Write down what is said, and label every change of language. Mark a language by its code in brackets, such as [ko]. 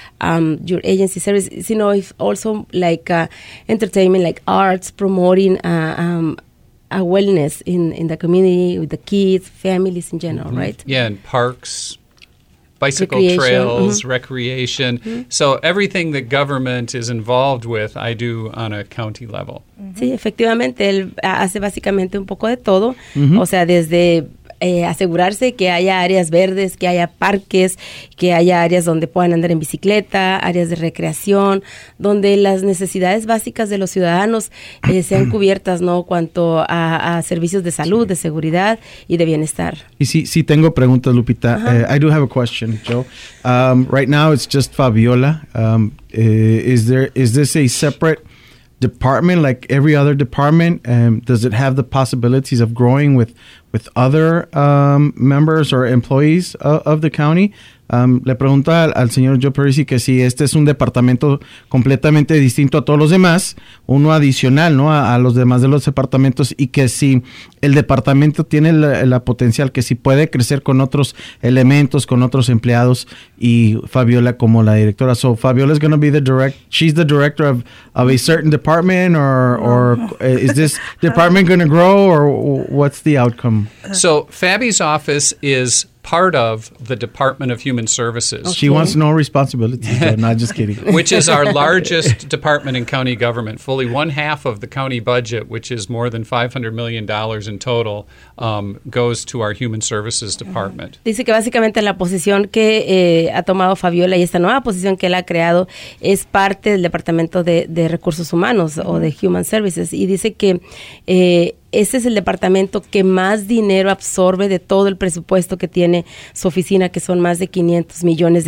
[en] Or your agency service, you know, it's also like entertainment, like arts, promoting a wellness in the community with the kids, families in general, mm-hmm. right? Yeah, and parks, bicycle recreation. Trails, mm-hmm. recreation. Mm-hmm. So everything that government is involved with, I do on a county level. Mm-hmm. [es] Sí, efectivamente, él hace básicamente un poco de todo. Mm-hmm. O sea, desde asegurarse que haya áreas verdes, que haya parques, que haya áreas donde puedan andar en bicicleta, áreas de recreación, donde las necesidades básicas de los ciudadanos sean cubiertas, ¿no? Cuanto a servicios de salud, sí. de seguridad y de bienestar. Y sí tengo preguntas, [en] Lupita. Uh-huh. I do have a question, Joe. Right now it's just Fabiola. Is this a separate department like every other department? Does it have the possibilities of growing with other members or employees of the county? [es] Le pregunta al señor Joe Parisi que si este es un departamento completamente distinto a todos los demás, uno adicional, ¿no? A los demás de los departamentos, y que si el departamento tiene la potencial, que si puede crecer con otros elementos, con otros empleados, y Fabiola como la directora. [en] So Fabiola is going to be she's the director of a certain department, or is this department going to grow, or what's the outcome? So Fabi's office is part of the Department of Human Services. Okay. She wants no responsibility. No, just kidding. Which is our largest department in county government. Fully one half of the county budget, which is more than $500 million in total, goes to our Human Services Department. [es] Dice que básicamente la posición que ha tomado Fabiola y esta nueva posición que él ha creado es parte del Departamento de Recursos Humanos o de Human Services. Y dice que ese es el departamento que más dinero absorbe de todo el presupuesto que tiene su oficina, que son más de $500 millones.